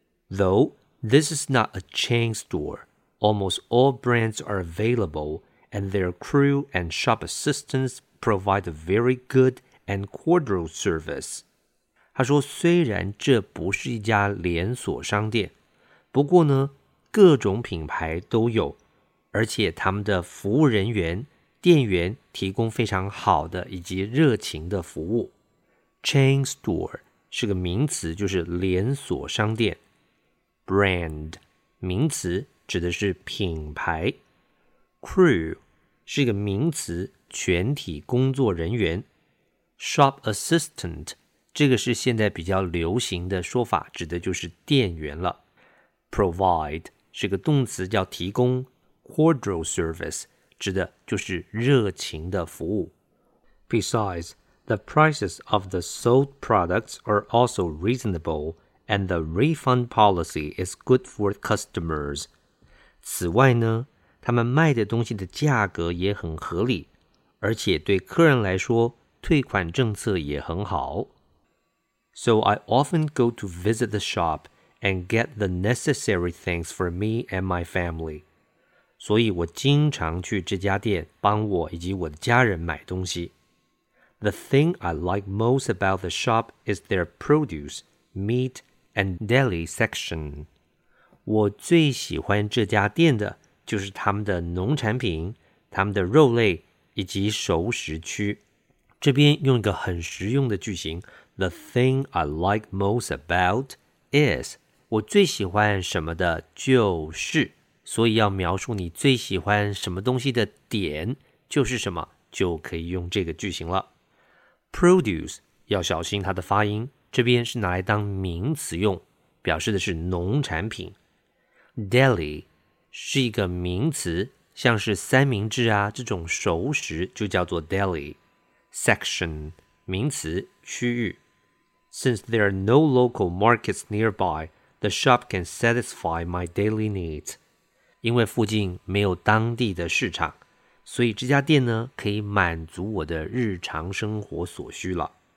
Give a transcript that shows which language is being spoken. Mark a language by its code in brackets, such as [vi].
[en] Though this is not a chain store, almost all brands are available, and their crew and shop assistants provide a very good and cordial service. [zh] 他说，虽然这不是一家连锁商店，不过呢，各种品牌都有，而且他们的服务人员、店员提供非常好的以及热情的服务。 Chain store 是个名词，就是连锁商店。 Brand 名词指的是品牌。 Crew 是个名词，全体工作人员。 Shop assistant 这个是现在比较流行的说法，指的就是店员了。 Provide 是个动词，叫提供。Cordial service 指的就是热情的服务。 [en] Besides,The prices of the sold products are also reasonable, and the refund policy is good for customers. [zh] 此外呢，他们卖的东西的价格也很合理，而且对客人来说，退款政策也很好。 [en] So I often go to visit the shop and get the necessary things for me and my family. [zh] 所以我经常去这家店帮我以及我的家人买东西。 [en] The thing I like most about the shop is their produce, meat, and deli section. [zh] 我最喜欢这家店的就是他们的农产品、他们的肉类以及熟食区。这边用一个很实用的句型 , [en] The thing I like most about is, [zh] 我最喜欢什么的就是。所以要描述你最喜欢什么东西的点就是什么，就可以用这个句型了。 Produce 要小心它的发音，这边是拿来当名词用，表示的是农产品。 Deli 是一个名词，像是三明治啊这种熟食就叫做 deli。 Section 名词区域。 [en] Since there are no local markets nearby, the shop can satisfy my daily needs. [zh] 因为附近没有当地的市场。所以这家店呢，可以满足我的日常生活所需了。